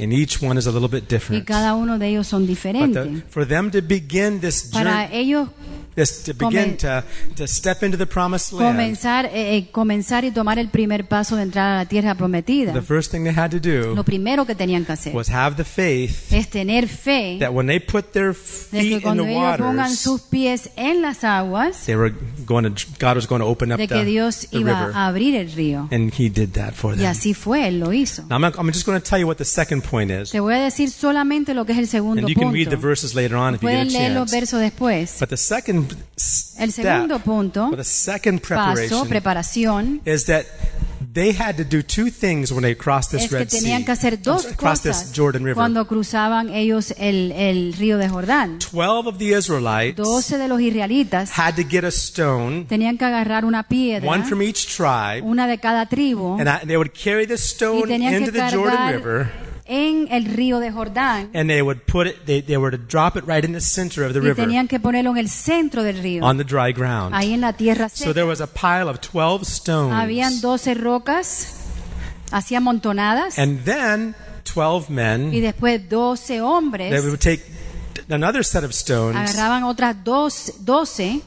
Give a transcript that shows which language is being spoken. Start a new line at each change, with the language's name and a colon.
English: And each one is a little bit different.
Spanish: Y cada uno de ellos son diferentes.
English: But for them to begin this
Spanish: Para
English: journey...
Spanish: Ellos
English: This, to begin to step into the promised land.
Spanish: Comenzar y tomar el primer paso de entrar a la tierra prometida.
English: The first thing they had to do
Spanish: Lo primero que tenían que hacer
English: was have the faith
Spanish: es tener fe
English: that when they put their feet
Spanish: de que cuando
English: in the waters,
Spanish: pongan sus pies en las aguas,
English: they were going to, God was going to open up
Spanish: de que Dios
English: the
Spanish: iba
English: river.
Spanish: A abrir el río.
English: And He did that for them.
Spanish: Y así fue, Él lo hizo.
English: Now I'm just going to tell you what the second point is.
Spanish: Te voy a decir solamente lo que es el segundo
English: and you
Spanish: punto.
English: Can read the verses later on if
Spanish: Pueden
English: you get a
Spanish: leer
English: chance.
Spanish: Los versos después.
English: But the second
Spanish: El segundo punto,
English: the second preparation,
Spanish: paso, preparación,
English: is that they had to do two things when they crossed this Red Sea, crossed this Jordan River.
Spanish: Cuando cruzaban ellos el río de Jordán.
English: 12 of the Israelites
Spanish: 12 de los israelitas
English: had to get a stone,
Spanish: tenían que agarrar una piedra,
English: one from each tribe,
Spanish: una de cada tribu,
English: and they would carry this stone
Spanish: y
English: into the Jordan River.
Spanish: En el río de Jordán.
English: And they would put it. They were to drop it right in the center of the river.
Spanish: Y tenían que ponerlo en el centro del río.
English: On the dry ground.
Spanish: Ahí en la tierra seca.
English: So there was a pile of 12 stones.
Spanish: Habían 12 rocas, así amontonadas.
English: And then 12 men.
Spanish: Y después 12 hombres.
English: They would take another set of stones.
Spanish: Agarraban otras 12.